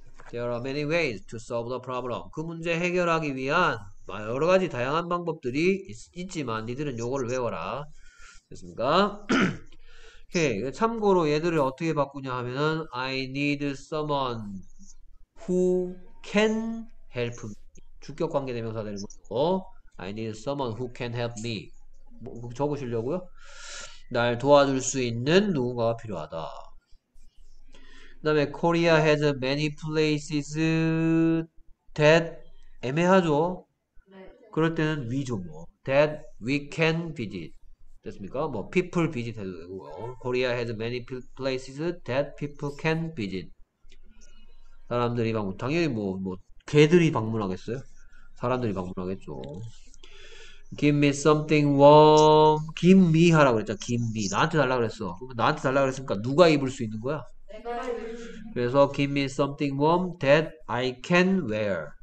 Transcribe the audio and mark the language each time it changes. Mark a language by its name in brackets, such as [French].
[English] There are many ways to solve the problem. [Korean] 그 문제 해결하기 위한 여러 가지 다양한 방법들이 있지만 니들은 요거를 외워라. 됐습니까? 오케이. 참고로 얘들을 어떻게 바꾸냐 하면은 [English] I need someone who can help me. [Korean] 주격 관계대명사 되는 거죠. [English] I need someone who can help me. [Korean] 뭐 적으시려고요? 날 도와줄 수 있는 누군가가 필요하다. [English] 그다음에 Korea has many places that [Korean] 애매하죠? 그럴 때는 위죠 뭐. [English] That we can visit. [Korean] 됐습니까? 뭐 [English] people visit [Korean] 해도 되고요. [English] Korea has many places that people can visit. [Korean] 사람들이 방문, 당연히 뭐 개들이 방문하겠어요? 사람들이 방문하겠죠. [English] Give me something warm. Give me [Korean] 하라고 그랬잖아. Give me. 나한테 달라고 그랬어. 나한테 달라고 그랬으니까 누가 입을 수 있는 거야? 그래서 [English] Give me something warm that I can wear.